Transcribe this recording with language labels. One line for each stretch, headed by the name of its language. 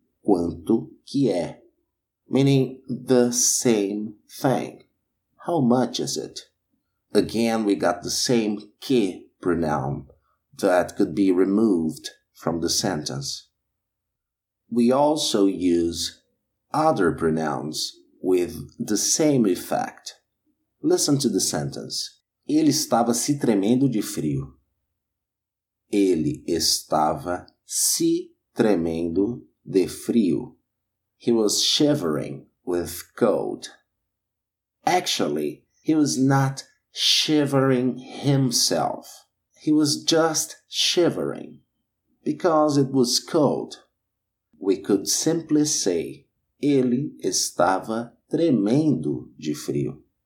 Portuguese: Quanto que é?
English: Meaning the same thing. How much is it? Again, we got the same que pronoun that could be removed from the sentence. We also use other pronouns with the same effect. Listen to the sentence.
Portuguese: Ele estava se tremendo de frio. Ele estava se tremendo de frio.
English: He was shivering with cold. Actually, he was not shivering himself. He was just shivering because it was cold. We could simply say,
Portuguese: ele estava tremendo de frio.